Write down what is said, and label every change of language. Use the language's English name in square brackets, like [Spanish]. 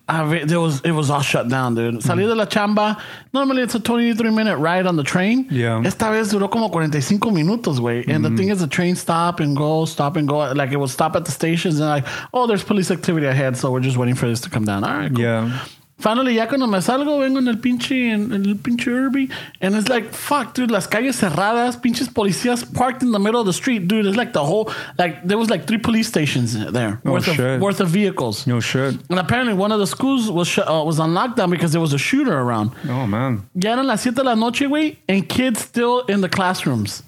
[English] It was all shut down, dude. Mm-hmm. [Spanish] Salí de la chamba. [English] Normally it's a 23-minute ride on the train. Yeah. [Spanish] Esta vez duró como 45 minutos, güey. [English] And the thing is, the train stop and go. Like, it would stop at the stations and like, oh, there's police activity ahead, so we're just waiting for this to come down. All right, cool. Yeah. [Spanish] Finally, ya cuando me salgo, vengo en el pinche Irby. [English] And it's like, fuck, dude, [Spanish] las calles cerradas, pinches policías [English] parked in the middle of the street. Dude, it's like the whole, like, there was like 3 police stations there. Worth of vehicles. No shit. And apparently one of the schools was on lockdown because there was a shooter around. Oh, man. [Spanish] Ya eran las 7 de la noche, güey, [English] and kids still in the classrooms.